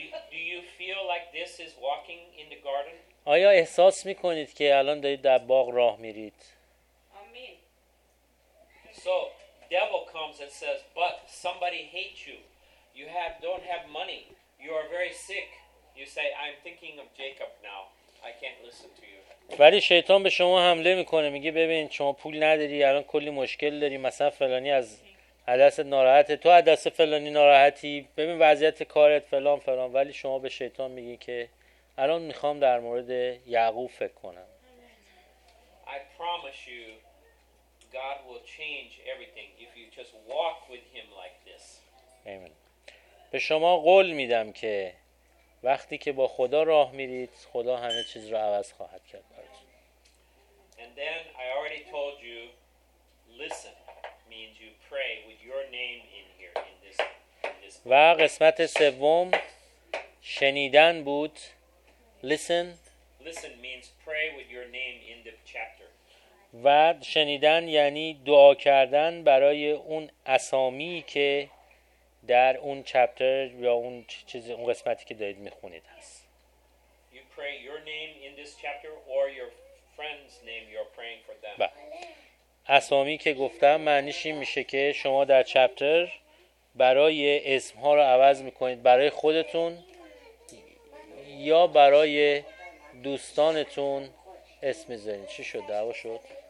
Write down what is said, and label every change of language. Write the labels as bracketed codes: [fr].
[en] Do you feel like this is walking in the garden? [fa] آیا احساس میکنید که الان دارید در باغ راه میرید؟ آمین. [en] So, devil comes and says, but somebody hates you. You don't have money. You are very sick. You say, I'm thinking of Jacob now. I can't listen to you. [fa] ولی شیطان به شما حمله میکنه، میگه ببین شما پول نداری، الان کلی مشکل داری، مثلا فلانی از عدس ناراحته، تو عدس فلانی ناراحتی، ببین وضعیت کارت فلان فلان، ولی شما به شیطان میگی که الان میخوام در مورد یعقوب فکر کنم. [en] I promise you God will change everything if you just walk with him like this. Amen. [fa] به شما قول میدم که وقتی که با خدا راه میرید، خدا همه چیز رو عوض خواهد کرد براتون. [en] And then I already told you listen means you pray with your name in here in this. [fa] و قسمت سوم شنیدن بود. [en] Listen means pray with your name in the chapter. [fa] و شنیدن یعنی دعا کردن برای اون اسامی که در اون چپتر یا اون چیز اون قسمتی که دارید میخونید هست. [en] You pray your name in this chapter or your friend's name you're praying for them. [fa] اسامی که گفتم معنیش این میشه که شما در چپتر برای اسمها رو عوض میکنید، برای خودتون یا برای دوستانتون اسم می‌ذارین. چی شد؟ دعوا شد؟